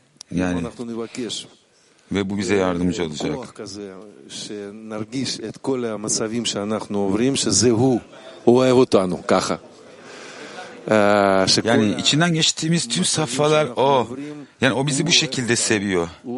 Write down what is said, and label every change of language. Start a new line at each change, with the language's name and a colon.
Turkish: Yani ve bu bize yardımcı olacak.
Hebrew: שנרגיש את כל המצבים שאנחנו עוברים, שזה הוא, הוא אוהב אותנו, ככה.
Turkish: Yani içinden geçtiğimiz tüm safhalar o. Yani o bizi bu şekilde seviyor.